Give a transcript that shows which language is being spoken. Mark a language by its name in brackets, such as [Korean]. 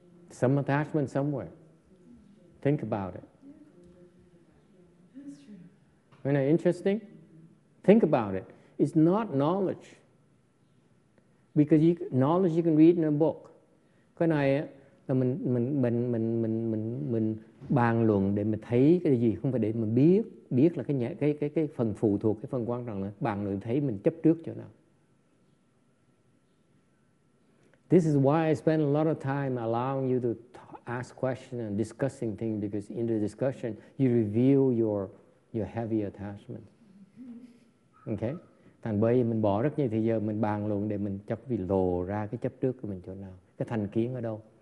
[English] Some attachment somewhere. Think about it. Isn't that interesting? Think about it. It's not knowledge. Because knowledge you can read in a book. [Vietnamese] Cái này là mình bàn luận để mình thấy cái gì, không phải để mình biết. Biết là cái phần phụ thuộc, cái phần quan trọng là bàn luận thấy mình chấp trước chỗ nào. [English] This is why I spend a lot of time allowing you to ask questions and discussing things, because in the discussion you reveal your heavy attachment. Okay? [Vietnamese] Thành bởi vì mình bỏ rất nhiều thời giờ mình bàn luận để mình chấp vì lộ ra cái chấp trước của mình chỗ nào, cái thành kiến ở đâu.